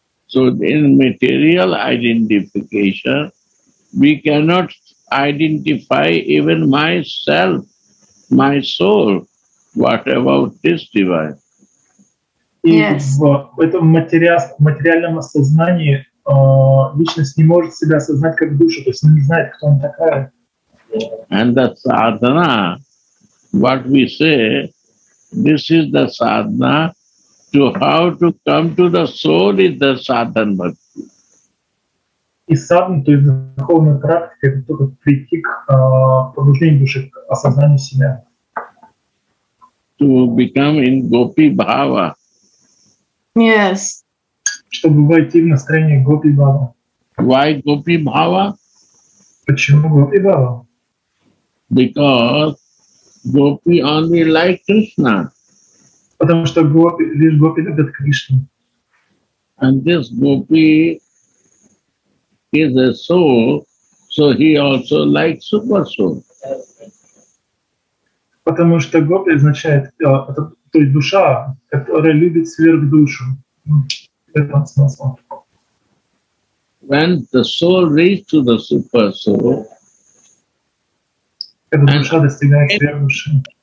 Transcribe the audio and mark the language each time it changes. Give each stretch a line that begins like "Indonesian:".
English: So in material identification, we cannot identify even myself, my soul. What about this divine? Yes.
Russian: В этом материальном осознании личность не может себя осознать как душу, то есть она не знает, кто она такая.
English: And the sadhana, what we say, this is the sadhana to how to come to the soul is the sadhana.
Russian: И садхана, то есть духовная практика, это только прийти к пробуждению души, к осознанию себя.
English: To become in gopi bhava. Yes.
Russian: Чтобы войти в настроение гопи бхава.
English: Why gopi bhava?
Russian: Почему гопи бхава?
English: Because gopi only like Krishna.
Russian: Потому что гопи, лишь гопи любят Кришну.
English: And this gopi is a soul, so he also likes super soul.
Russian: Потому что гопи означает, то есть душа, которая любит сверхдушу. Это смысл.
English: When the soul reaches to the super soul,
Russian: когда душа достигает сверхдуши,